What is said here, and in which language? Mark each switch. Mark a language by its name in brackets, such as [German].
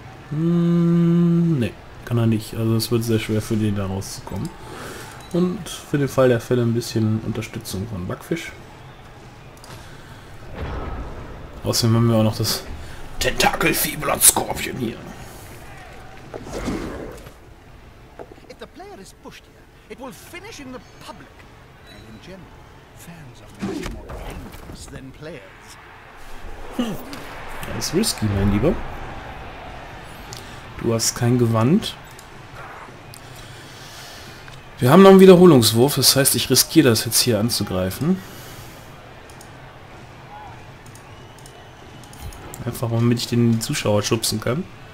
[German] Ne, kann er nicht. Also es wird sehr schwer für den da rauszukommen. Und für den Fall der Fälle ein bisschen Unterstützung von Backfisch. Außerdem haben wir auch noch das Tentakelfieh-Blattskorpion hier. [English] If the player is pushed here, it will finish in the public. And in general, fans are much more dangerous than players. [German] Das ist risky, mein Lieber. Du hast kein Gewand. Wir haben noch einen Wiederholungswurf, das heißt, ich riskiere das jetzt hier anzugreifen. Einfach, damit ich den Zuschauer schubsen kann.